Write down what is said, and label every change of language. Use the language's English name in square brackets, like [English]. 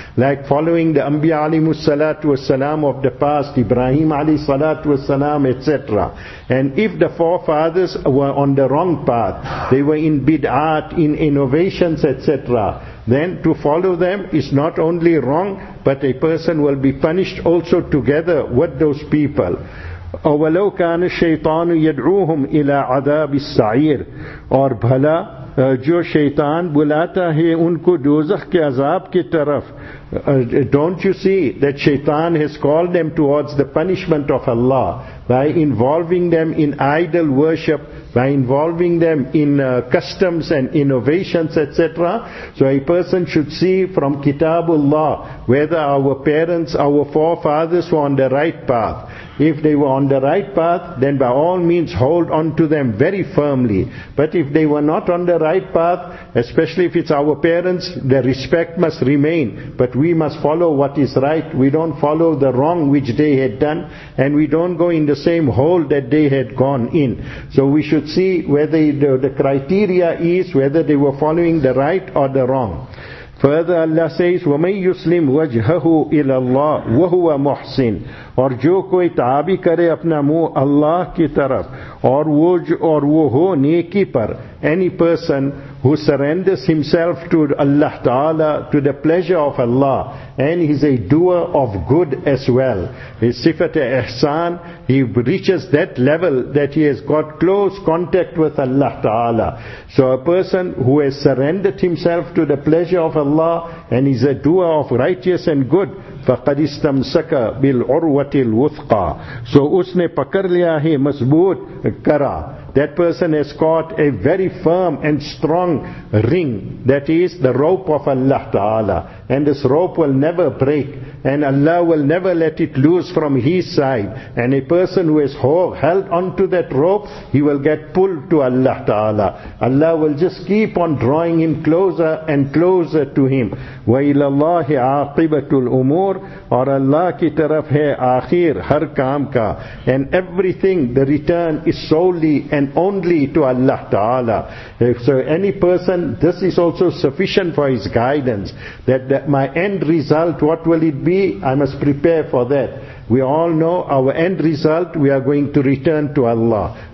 [English] Like following the Anbiya alayhi salatu wassalam of the past, Ibrahim alayhi salatu wassalam, etc. And if the forefathers were on the wrong path, they were in bid'at, in innovations, etc., then to follow them is not only wrong, but a person will be punished also together with those people. [Arabic] أَوَلَوْ كَانَ الشَّيْطَانُ يَدْعُوهُمْ إِلَىٰ عَذَابِ السَّعِيرِ [Urdu] اور بھلا جو شیطان بلاتا ہے ان کو دوزخ کے عذاب کی طرف. [English] Don't you see that shaitan has called them towards the punishment of Allah by involving them in idol worship, by involving them in customs and innovations, etc. So a person should see from Kitabullah whether our parents, our forefathers were on the right path. If they were on the right path, then by all means hold on to them very firmly. But if they were not on the right path, especially if it's our parents, the respect must remain. But we must follow what is right. We don't follow the wrong which they had done. And we don't go in the same hole that they had gone in. So we should see whether the criteria is whether they were following the right or the wrong. Further Allah says, [Arabic] وَمَنْ يُسْلِمْ وَجْهَهُ إِلَى اللَّهِ وَهُوَ مُحْسِنٌ [Urdu] اور جو کوئی تابی کرے اپنا منہ اللہ کی طرف اور وہ ہو نیکی پر. [English] Any person who surrenders himself to Allah Ta'ala, to the pleasure of Allah, and he's a doer of good as well. His sifat ihsan, he reaches that level that he has got close contact with Allah Ta'ala. So a person who has surrendered himself to the pleasure of Allah, and he's a doer of righteous and good, [Arabic] فَقَدْ اسْتَمْسَكَ بِالْعُرْوَةِ الْوُثْقَى [English] So [Urdu] اس نے پکر لیا ہے مضبوط کرا. [English] That person has caught a very firm and strong ring, that is the rope of Allah Ta'ala. And this rope will never break, and Allah will never let it loose from his side. And a person who has held onto that rope, he will get pulled to Allah Ta'ala. Allah will just keep on drawing him closer and closer to him. [Arabic] وَإِلَى اللَّهِ عَاقِبَةُ الْأُمُورِ [Urdu] اور اللہ کی طرف ہے آخر ہر کام کا. [English] And everything, the return is solely and only to Allah Ta'ala. So any person, this is also sufficient for his guidance, that my end result, what will it be? I must prepare for that. We all know our end result, we are going to return to Allah.